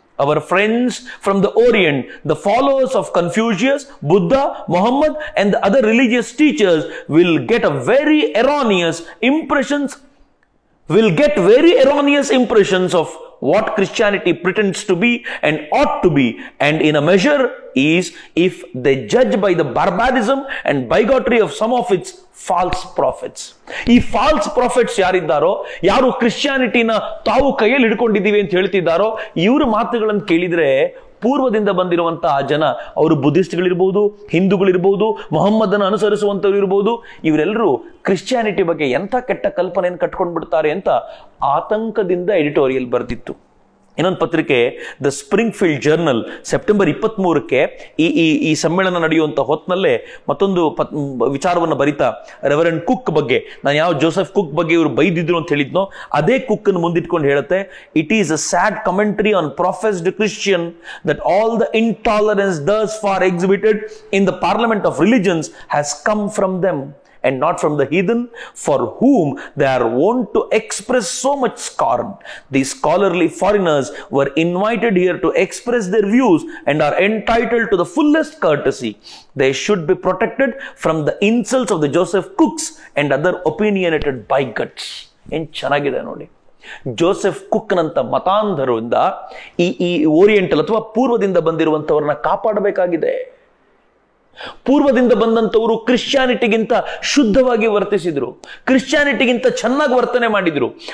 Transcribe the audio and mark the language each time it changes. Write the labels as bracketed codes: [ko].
[en] Our friends from the Orient, the followers of Confucius, Buddha, Muhammad and the other religious teachers will get a very erroneous impressions will get very erroneous impressions of what Christianity pretends to be and ought to be, and in a measure is if they judge by the barbarism and bigotry of some of its false prophets. [kn] ಈ falls prophets ಯಾರಿದ್ದಾರೋ, ಯಾರು ಕ್ರಿಶ್ಚಿಯಾನಿಟಿನ ತಾವು ಕೈಯಲ್ಲಿ ಹಿಡ್ಕೊಂಡಿದ್ದೀವಿ ಅಂತ ಹೇಳ್ತಿದ್ದಾರೋ, ಇವರ ಮಾತುಗಳನ್ನು ಕೇಳಿದರೆ ಪೂರ್ವದಿಂದ ಬಂದಿರುವಂತಹ ಆ ಜನ, ಅವರು ಬುದ್ಧಿಸ್ಟ್ಗಳಿರ್ಬೋದು, ಹಿಂದೂಗಳಿರ್ಬೋದು, ಮೊಹಮ್ಮದನ್ನು ಅನುಸರಿಸುವಂಥವ್ರು ಇರ್ಬೋದು, ಇವರೆಲ್ಲರೂ ಕ್ರಿಶ್ಚಿಯಾನಿಟಿ ಬಗ್ಗೆ ಎಂಥ ಕೆಟ್ಟ ಕಲ್ಪನೆಯನ್ನು ಕಟ್ಕೊಂಡು ಬಿಡ್ತಾರೆ ಅಂತ ಆತಂಕದಿಂದ ಎಡಿಟೋರಿಯಲ್ ಬರೆದಿತ್ತು. ಇನ್ನೊಂದು ಪತ್ರಿಕೆ ದ ಸ್ಪ್ರಿಂಗ್ಫೀಲ್ಡ್ ಜರ್ನಲ್, ಸೆಪ್ಟೆಂಬರ್ 23ಕ್ಕೆ ಈ ಸಮ್ಮೇಳನ ನಡೆಯುವಂಥ ಹೊತ್ತಿನಲ್ಲೇ ಮತ್ತೊಂದು ವಿಚಾರವನ್ನು ಬರೀತಾ, ರೆವರೆಂಡ್ ಕುಕ್ ಬಗ್ಗೆ, ನಾನು ಯಾವ ಜೋಸೆಫ್ ಕುಕ್ ಬಗ್ಗೆ ಇವರು ಬೈದಿದ್ರು ಅಂತ ಹೇಳಿದ್ನೋ ಅದೇ ಕುಕ್ ಅನ್ನು ಮುಂದಿಟ್ಕೊಂಡು ಹೇಳುತ್ತೆ, [en] It is a sad commentary on professed Christian that all the intolerance thus far exhibited in the parliament of religions has come from them and not from the heathen for whom they are wont to express so much scorn. These scholarly foreigners were invited here to express their views and are entitled to the fullest courtesy. They should be protected from the insults of the Joseph Cooks and other opinionated bigots. [kn] En chanagide nodi Joseph cook ನಂತ ಮತಾಂಧರಿಂದ ಈ oriental ಅಥವಾ ಪೂರ್ವದಿಂದ ಬಂದಿರುವಂತವರನ್ನ ಕಾಪಾಡಬೇಕಾಗಿದೆ. ಪೂರ್ವದಿಂದ ಬಂದಂಥವರು ಕ್ರಿಶ್ಚಿಯಾನಿಟಿಗಿಂತ ಶುದ್ಧವಾಗಿ ವರ್ತಿಸಿದರು, ಕ್ರಿಶ್ಚಿಯಾನಿಟಿಗಿಂತ ಚೆನ್ನಾಗಿ ವರ್ತನೆ ಮಾಡಿದರು.